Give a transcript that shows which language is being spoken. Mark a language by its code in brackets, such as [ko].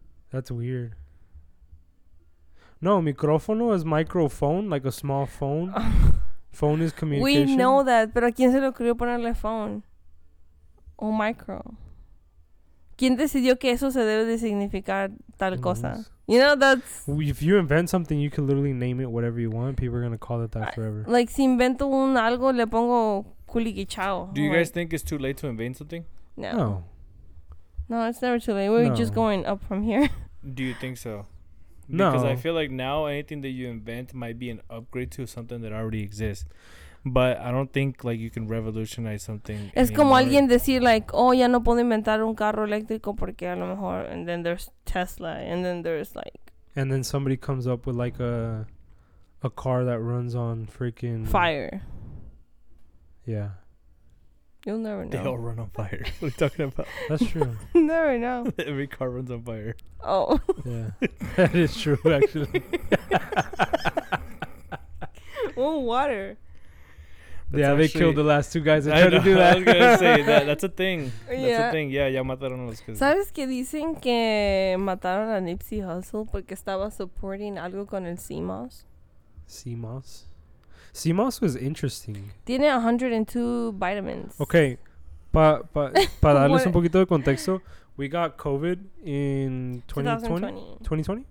[en] That's weird. No, micrófono is microphone, like a small phone. Phone is communication. We know that, [es] pero ¿a quién se le ocurrió ponerle phone? O micro. ¿Quién decidió que eso se debe de significar tal cosa? [en] You know, that's... If you invent something, you can literally name it whatever you want. People are going to call it that forever. [es] Like, si invento un algo, le pongo culiquichao. [en] Do you guys think it's too late to invent something? No. No, it's never too late. We're just going up from here. Do you think so? No. Because I feel like now anything that you invent might be an upgrade to something that already exists. But I don't think, like, you can revolutionize something. [es] Es como alguien decir, like, oh, ya no puedo inventar un carro eléctrico porque a lo mejor... [en] And then there's Tesla. And then there's, like... And then somebody comes up with, like, a car that runs on freaking... Fire. Yeah. You'll never know. They all run on fire. What are you talking about? That's true. Never know. Every car runs on fire. Oh. Yeah. That is true, actually. Oh, water. That's yeah, they killed the last two guys that tried to do that. I was going to say, that's a thing. Yeah. That's a thing. Yeah, [es] ya mataron a los que... ¿Sabes que dicen que mataron a Nipsey Hussle porque estaba supporting algo con el CMOS? [en] CMOS? CMOS was interesting. [es] Tiene 102 vitamins. Okay, para darles un poquito de contexto, [en] we got COVID in 2020?